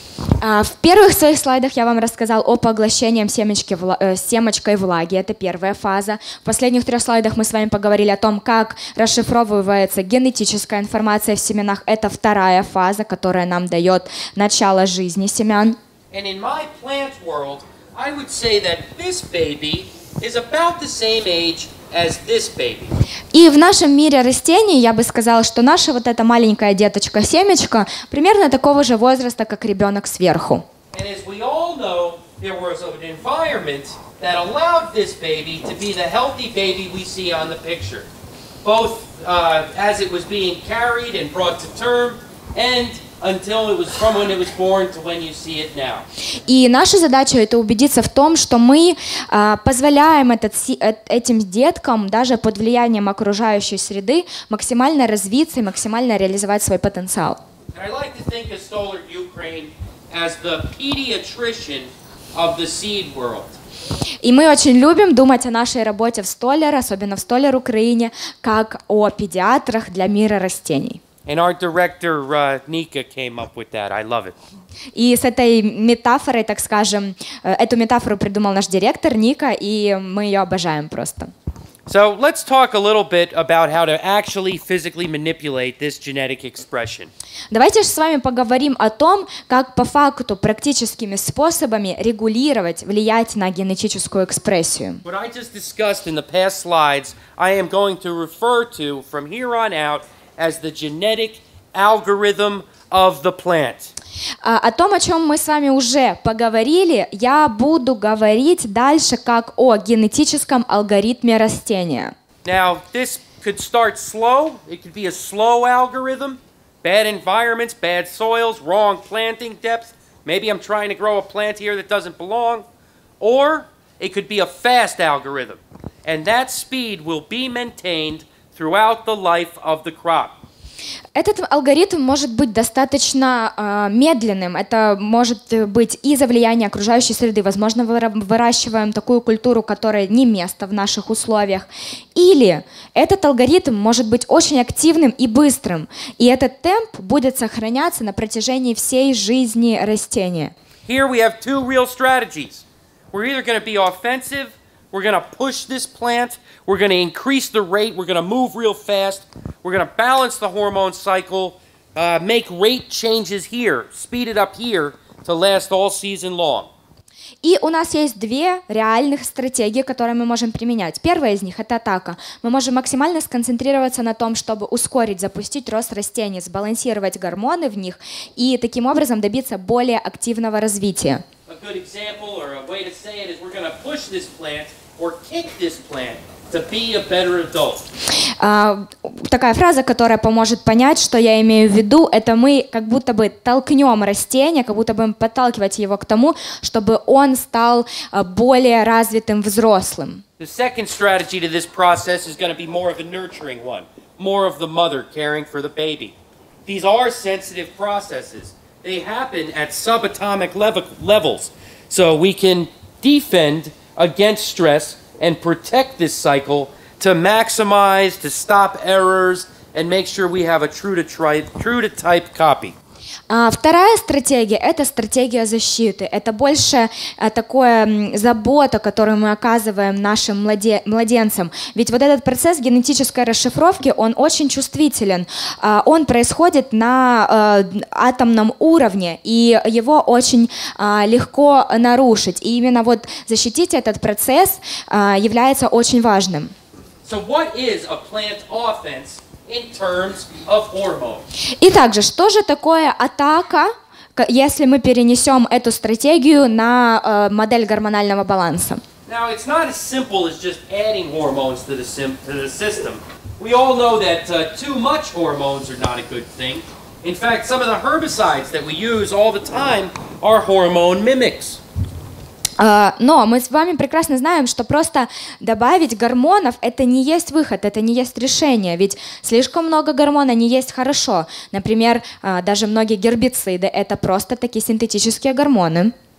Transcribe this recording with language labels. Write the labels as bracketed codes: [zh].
[ru] В первых своих слайдах я вам рассказал о поглощении семечки семечкой влаги. Это первая фаза. В последних трех слайдах мы с вами поговорили о том, как расшифровывается генетическая информация в семенах. Это вторая фаза, которая нам дает начало жизни семян. [en] And in my plant world, I would say that this baby is about the same age as this baby. [ru] И в нашем мире растений я бы сказала, что наша вот эта маленькая деточка семечка примерно такого же возраста, как ребенок сверху. [en] And as we all know, there was an environment that allowed this baby to be the healthy baby we see on the picture, both as it was being carried and brought to term, and until it was from when it was born to when you see it now. [ru] И наша задача это убедиться в том, что мы позволяем этим деткам даже под влиянием окружающей среды максимально развиться и максимально реализовать свой потенциал. [en] I like to think of Stoller Ukraine as the pediatrician of the seed world. [ru] И мы очень любим думать о нашей работе в Столлер, особенно в Столлер Украине, как о педиатрах для мира растений. [en] And our director Ника came up with that. I love it. [ru] И с этой метафорой, так скажем, эту метафору придумал наш директор Ника, и мы ее обожаем просто. [en] So let's talk a little bit about how to actually physically manipulate this genetic expression. [ru] Давайте же с вами поговорим о том, как по факту практическими способами регулировать, влиять на генетическую экспрессию. [en] What I just discussed in the past slides, I am going to refer to from here on out as the genetic algorithm of the plant. [ru] О том, о чем мы с вами уже поговорили, я буду говорить дальше как о генетическом алгоритме растения. [en] Now, this could start slow. It could be a slow algorithm. Bad environments, bad soils, wrong planting depth. Maybe I'm trying to grow a plant here that doesn't belong. Or it could be a fast algorithm. And that speed will be maintained throughout the life of the crop. [ru] Этот алгоритм может быть достаточно медленным. Это может быть из-за влияния окружающей среды. Возможно, выращиваем такую культуру, которая не место в наших условиях. Или этот алгоритм может быть очень активным и быстрым. И этот темп будет сохраняться на протяжении всей жизни растения. [en] Here we have two real strategies. We're either going to be offensive, we're going to push this plant, we're going to increase the rate, we're going to move real fast. We're going to balance the hormone cycle, make rate changes here, speed it up here to last all season long. [ru] И у нас есть две реальных стратегии, которые мы можем применять. Первая из них – это атака. Мы можем максимально сконцентрироваться на том, чтобы ускорить, запустить рост растений, сбалансировать гормоны в них и таким образом добиться более активного развития. [en] A good example or a way to say it is we're going to push this plant or kick this plant to be a better adult. [ru] Такая фраза, которая поможет понять, что я имею в виду, это мы как будто бы толкнем растение, как будто бы подталкивать его к тому, чтобы он стал более развитым взрослым. [en] The second strategy to this process is going to be more of a nurturing one, more of the mother caring for the baby. These are sensitive processes. They happen at subatomic levels, so we can defend against stress and protect this cycle to maximize, to stop errors, and make sure we have a true to type copy. [ru] Вторая стратегия – это стратегия защиты. Это больше такая забота, которую мы оказываем нашим младенцам. Ведь вот этот процесс генетической расшифровки, он очень чувствителен. Он происходит на атомном уровне, и его очень легко нарушить. И именно вот защитить этот процесс является очень важным. [en] So what is a plant offense? In terms of hormones. [ru] И также, что же такое атака, если мы перенесем эту стратегию на модель гормонального баланса? [en] Now, it's not as simple as just adding hormones to the system. We all know that too much hormones are not a good thing. In fact, some of the herbicides that we use all the time are hormone mimics. [ru] Но мы с вами прекрасно знаем, что просто добавить гормонов – это не есть выход, это не есть решение, ведь слишком много гормона не есть хорошо. Например, даже многие гербициды – это просто такие синтетические гормоны.